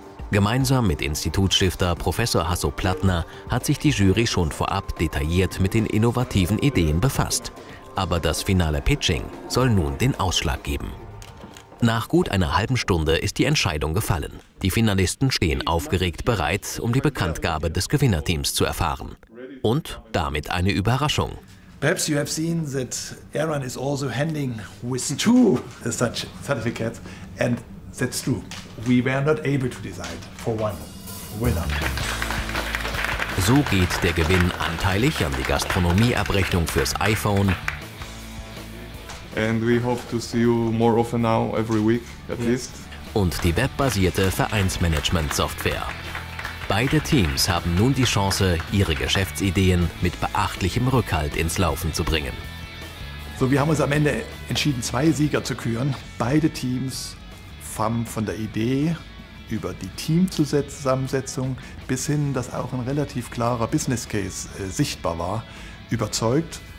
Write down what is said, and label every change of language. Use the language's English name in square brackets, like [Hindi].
[German] Gemeinsam mit Institutsstifter Professor Hasso-Plattner hat sich die Jury schon vorab detailliert mit den innovativen Ideen befasst. Aber das finale Pitching soll nun den Ausschlag geben. Nach gut einer halben Stunde ist die Entscheidung gefallen. Die Finalisten stehen aufgeregt bereit, um die Bekanntgabe des Gewinnerteams zu erfahren. Und damit eine Überraschung. [English] Perhaps you have seen that Aaron is also handing with two such certificates and that's true. We were not able to decide for one winner. [German] So geht der Gewinn anteilig an die Gastronomieabrechnung fürs iPhone. [English] And we hope to see you more often now, every week at least. [German] Und die webbasierte Vereinsmanagement-Software. Beide Teams haben nun die Chance, ihre Geschäftsideen mit beachtlichem Rückhalt ins Laufen zu bringen. So, wir haben uns am Ende entschieden, zwei Sieger zu küren. Beide Teams von der Idee über die Teamzusammensetzung bis hin, dass auch ein relativ klarer Business Case sichtbar war, überzeugt.